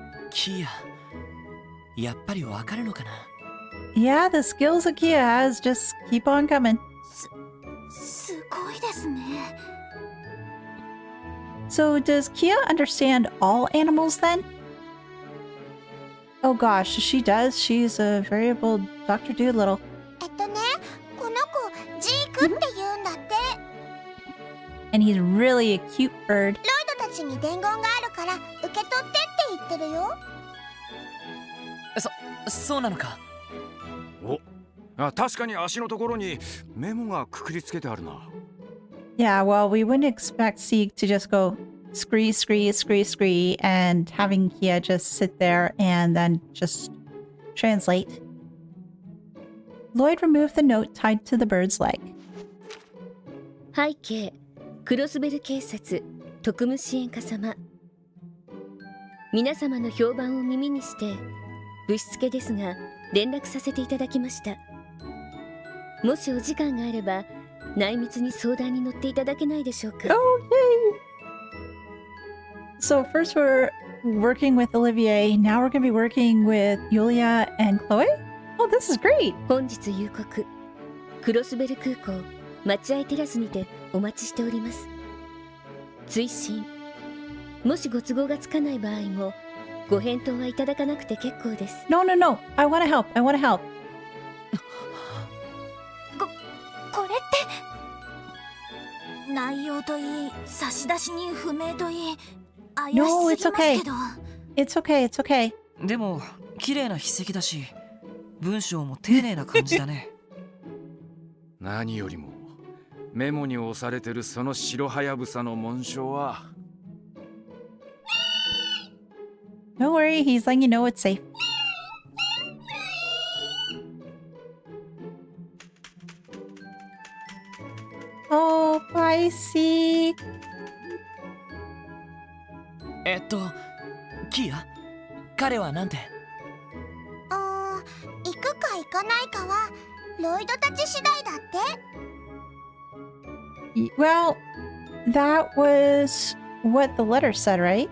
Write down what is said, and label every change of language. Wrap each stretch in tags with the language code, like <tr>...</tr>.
<ja>キア、やっぱりわかるのかな?</ja> <en>Yeah, the skills of Kia has just keep on coming.</en> <ja>すごいですね。</ja> <en>So, does Kia understand all animals then? Oh gosh, she does. She's a variable Dr. Doolittle.</en> <ja>この子、ジークって言うんだって。</ja> <en>And he's really a cute bird.</en> <ja>ロイドたちに伝言があるから受け取ってって言ってるよ。そうなのか。お、あ、確かに足のところにメモがくくりつけてあるな。</ja> <en>Yeah, well, we wouldn't expect Sieg to just go scree, scree, scree, scree, and having Kia just sit there and then just translate. Lloyd removed the note tied to the bird's leg.</en> <ja>背景、クロスベル警察、特務支援課様。皆様の評判を耳にして、ぶしつけですが、連絡させていただきました。もしお時間があれば、内密に相談に乗っていただけないでしょうか。</ja> <en>Oh, yay! So first we're working with Olivier, now we're going to be working with Yulia and Chloe? Oh, this is great!</en> <ja>本日夕刻、クロスベル空港、待合テラスにてお待ちしております。追伸。もしご都合がつかない場合も、ご返答はいただかなくて結構です。</ja> <en>No, no, no! I want to help! I want to help!</en> <ja>これって…内容といい、差出人不明といい、怪しすぎますけど…</ja> <en>No, it's okay! It's okay, it's okay!</en> <ja>でも、綺麗な筆跡だし、文章も丁寧な感じだね。何よりも、メモに押されてるその白羽やぶさの紋章は…</ja> <en>Don't worry, he's letting you know it's safe. Oh, bye, Sieg.</en> <ja>Kia, 彼はなんて? Oh, 行くか行かないかは、ロイドたち次第だって。</ja> <en>Well, that was what the letter said, right?</en>